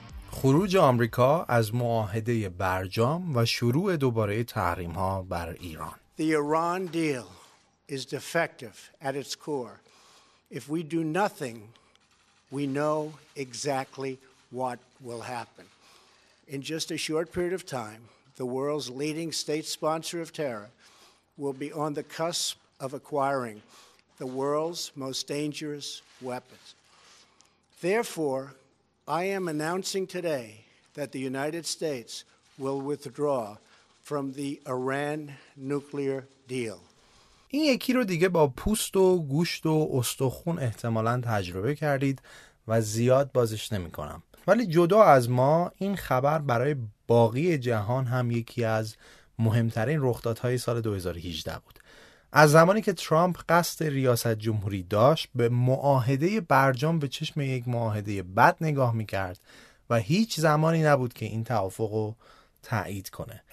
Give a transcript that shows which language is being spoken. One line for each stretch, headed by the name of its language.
Persian: خروج آمریکا از معاهده برجام و شروع دوباره تحریم‌ها بر ایران.
English: The Iran deal is defective at its core. If we do nothing, we know exactly what will happen. In just a short period of time, the world's leading state sponsor of terror will be on the cusp of acquiring the world's most dangerous weapons. Therefore, I am announcing today that the United States will withdraw from the Iran nuclear deal.
Persian: این یکی رو دیگه با پوست و گوشت و استخون احتمالاً تجربه کردید و زیاد بازش نمی کنم. ولی جدا از ما، این خبر برای باقی جهان هم یکی از مهمترین رخدادهای سال 2018 بود. از زمانی که ترامپ قصد ریاست جمهوری داشت، به معاهده برجام به چشم یک معاهده بد نگاه میکرد و هیچ زمانی نبود که این توافق رو تایید کنه.